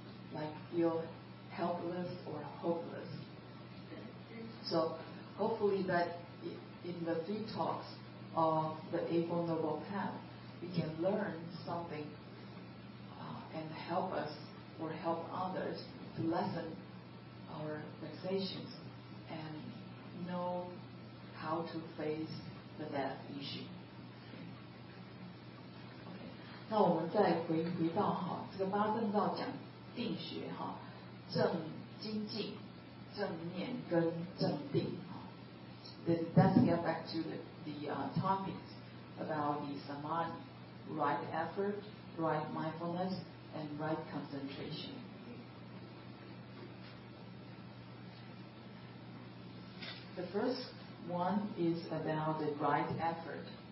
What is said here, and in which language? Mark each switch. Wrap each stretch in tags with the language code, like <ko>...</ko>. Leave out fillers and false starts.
<en>Like feel helpless or hopeless. So hopefully that in the three talks of the Eightfold Noble Path, we can learn something and help us or help others to lessen our vexations and know how to face the death issue. Okay.</en> <zh>那我们再回到哈，这个八正道讲。定学哈，正精进、正念跟正定，</zh> <en>let's get back to the topics about the samadhi, right effort, right mindfulness, and right concentration. The first one is about the right effort.</en>